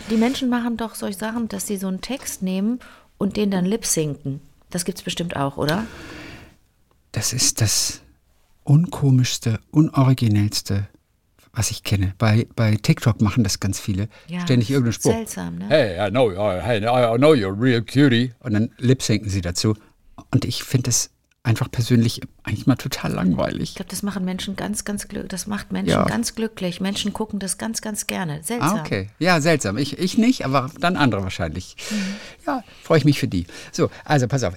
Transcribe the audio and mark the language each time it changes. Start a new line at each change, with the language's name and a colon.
German: Die Menschen machen doch solche Sachen, dass sie so einen Text nehmen und den dann lip-sinken. Das gibt es bestimmt auch, oder? Das ist das unkomischste, unoriginellste, was ich kenne. Bei TikTok machen das ganz viele. Ja, ständig irgendeinen Spruch. Seltsam, ne?
English: Hey, I know you're real cutie.
German: Und dann lip-sinken sie dazu. Und ich finde das einfach persönlich eigentlich mal total langweilig. Ich glaube, das machen Menschen ganz, ganz glücklich. Das macht Menschen ganz glücklich. Menschen gucken das ganz, ganz gerne. Seltsam. Ah, okay. Ja, seltsam. Ich nicht, aber dann andere wahrscheinlich. Ja, freue ich mich für die. So, also pass auf.